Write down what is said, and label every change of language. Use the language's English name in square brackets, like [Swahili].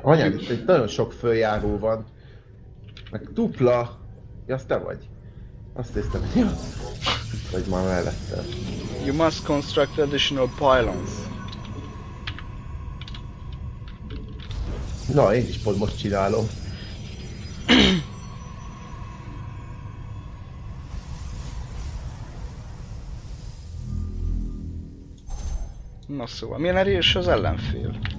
[Hungarian] Anyád, itt egy nagyon sok följáró van. Meg dupla. Ja, az te vagy. Azt néztem, hogy itt vagy már mellette. [English] You must construct additional pylons. [Hungarian] Na, én is pont most csinálom. Na szóval, milyen erős az ellenfél?